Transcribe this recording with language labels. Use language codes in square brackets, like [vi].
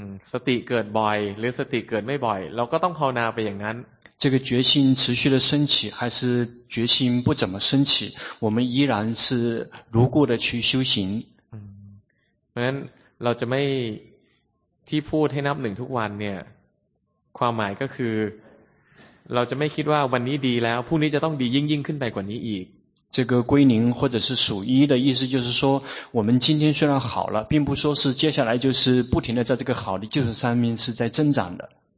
[th] สติเกิดบ่อยหรือสติเกิดไม่บ่อยเราก็ต้องภาวนาไปอย่างนั้น [zh] 这个决心持续的升起还是决心不怎么升起我们依然是如故的去修行 [th] เพราะฉะนั้นเราจะไม่ที่พูดให้นับหนึ่งทุกวันเนี่ยความหมายก็คือเราจะไม่คิดว่าวันนี้ดีแล้วพรุ่งนี้จะต้องดียิ่งขึ้นไปกว่านี้อีก [zh] 这个归零或者是属一的意思就是说我们今天虽然好了并不说是接下来就是不停的在这个好的就是上面是在增长的